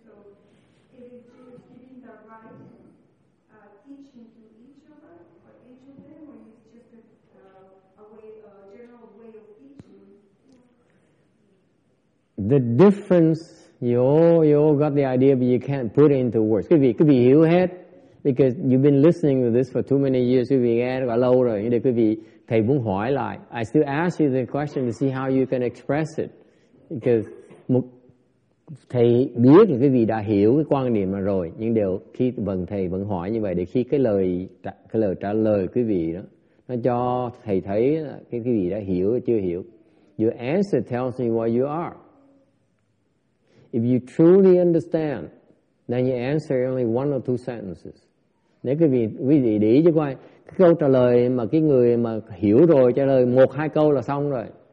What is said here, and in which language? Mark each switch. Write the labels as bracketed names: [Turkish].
[English] So is you giving the right teaching to each of them, or each of them, or is it just a general way of teaching? The difference, you all got the idea, but you can't put it into words. [Vietnamese] Quý vị hiểu hết, [English] because you've been listening to this for too many years. [Vietnamese] Quý vị nghe quá lâu rồi, nhưng quý vị, thầy muốn hỏi lại. [English] I still ask you the question to see how you can express it. [Vietnamese] Because thầy biết là quý vị đã hiểu cái quan điểm rồi, nhưng đều khi vâng thầy vẫn hỏi như vậy, để khi cái lời trả lời quý vị đó, nó cho thầy thấy là quý vị đã hiểu hay chưa hiểu. [English] Your answer tells me what you are. If you truly understand, then you answer only one or two sentences. [Vietnamese] Nếu quý vị để ý cho coi, cái câu trả lời mà cái người mà hiểu rồi trả lời một hai câu là xong rồi.